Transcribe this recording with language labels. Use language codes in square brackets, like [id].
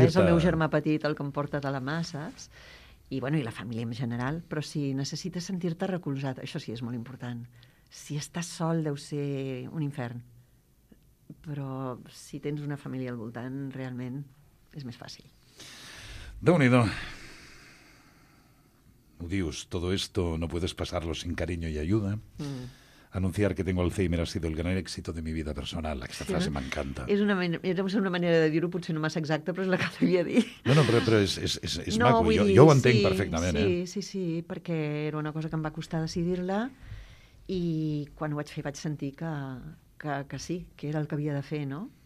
[ca] Ara és el meu germà petit el que em porta de la mà, saps? I, bueno, i la família en general. Però si necessites sentir-te recolzat, això sí, és molt important. Si estàs sol, deu ser un infern. Però si tens una família al voltant, realment és més fàcil. Déu-n'hi-do. Ho dius, [es] todo esto no puedes pasarlo sin cariño y ayuda. Anunciar que tengo Alzheimer ha sido el gran éxito de mi vida personal. [ca] Aquesta frase m'encanta. És una manera de dir-ho, potser no massa exacta, però és la que t'havia dit. No, però és maco, jo ho entenc perfectament. Sí, perquè era una cosa que em va costar decidir-la i quan ho vaig fer vaig sentir que sí, que era el que havia de fer, no?